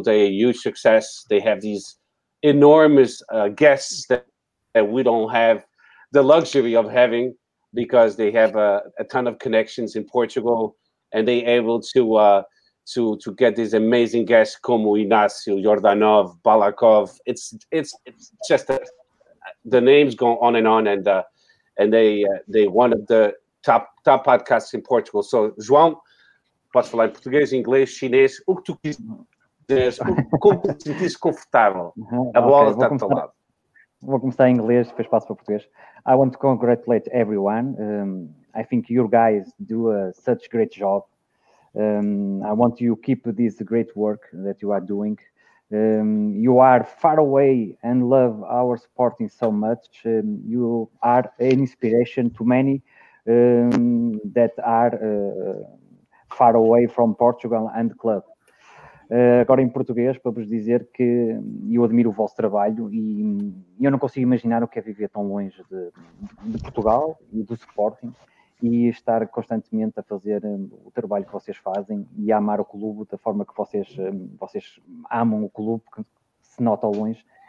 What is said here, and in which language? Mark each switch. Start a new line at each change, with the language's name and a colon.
English: They're a huge success. They have these enormous guests that we don't have the luxury of having, because they have a ton of connections in Portugal, and they're able to get these amazing guests como Inácio, Jordanov, Balakov. It's just the names go on and on, and they one of the top podcasts in Portugal.
Portuguese: So, João, posso falar em português, inglês, chinês, o que tu quiseres, como te sentires confortável. A bola está do teu lado. Vou começar em inglês, depois passo para português.
English: I want to congratulate everyone. I think your guys do such great job. I want you keep this great work that you are doing. You are far away and love our Sporting so much. You are an inspiration to many that are far away from Portugal and the club.
Portuguese: Agora em português, para vos dizer que eu admiro o vosso trabalho e eu não consigo imaginar o que é viver tão longe de Portugal e do Sporting e estar constantemente a fazer o trabalho que vocês fazem e a amar o clube da forma que vocês amam o clube, que se nota ao longe.